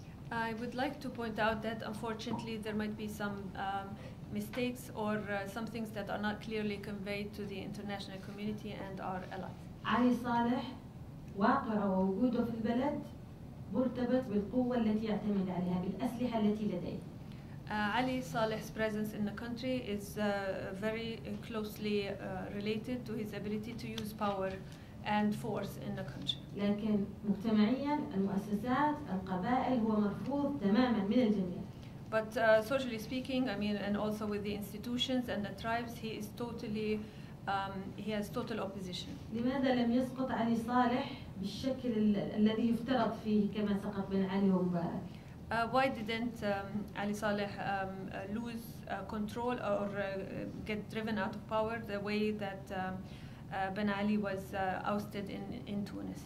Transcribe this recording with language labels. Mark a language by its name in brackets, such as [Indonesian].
[English] I would like to point out that unfortunately there might be some mistakes or some things that are not clearly conveyed to the international community and our allies. [Arabic] علي صالح واقعه ووجوده في البلد مرتبط بالقوة التي يعتمد عليها بالأسلحة التي لديه. [English] Ali Saleh's presence in the country is very closely related to his ability to use power and force in the country. [Arabic] لكن مجتمعيا المؤسسات القبائل هو مرفوض تماما من الجميع. [English] But socially speaking, I mean, and also with the institutions and the tribes, he is totally he has total opposition. [Arabic] لماذا لم يسقط علي صالح بالشكل الذي يفترض فيه كما سقط بن علي ومبارك؟ [English] Why didn't Ali Saleh lose control or get driven out of power the way that Ben Ali was ousted in Tunis?